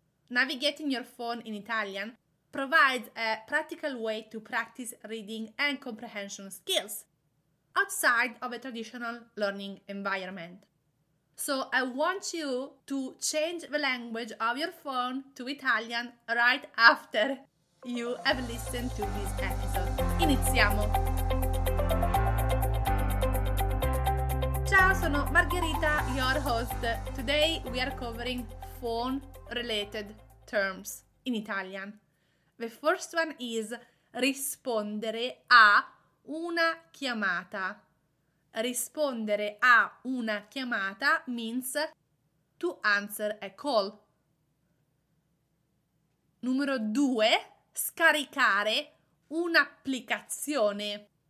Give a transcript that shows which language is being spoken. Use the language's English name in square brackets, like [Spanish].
[English] Navigating your phone in Italian provides a practical way to practice reading and comprehension skills outside of a traditional learning environment. So I want you to change the language of your phone to Italian right after you have listened to this episode. [Italian] Iniziamo! Ciao, sono Margherita, [English] your host. Today we are covering phone-related terms in Italian. The first one is rispondere a una chiamata. Rispondere a una chiamata means to answer a call. [Italian] Numero due, scaricare un'applicazione.